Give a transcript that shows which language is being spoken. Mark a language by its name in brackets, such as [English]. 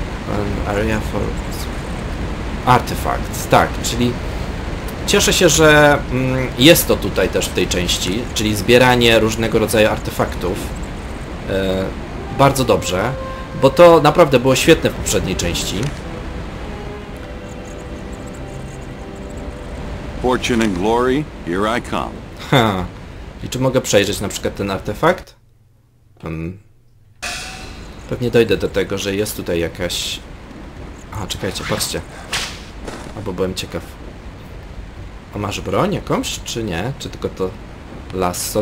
[English] An area for artifacts, [Polish] tak, czyli cieszę się, że jest to tutaj też w tej części, czyli zbieranie różnego rodzaju artefaktów. Bardzo dobrze, bo to naprawdę było świetne w poprzedniej części. [English] Fortune and glory, here I come. Ha. [Polish] I czy mogę przejrzeć na przykład ten artefakt? Pewnie dojdę do tego, że jest tutaj jakaś... A, czekajcie, patrzcie. Albo byłem ciekaw. A masz broń jakąś, czy nie? Czy tylko to lasso?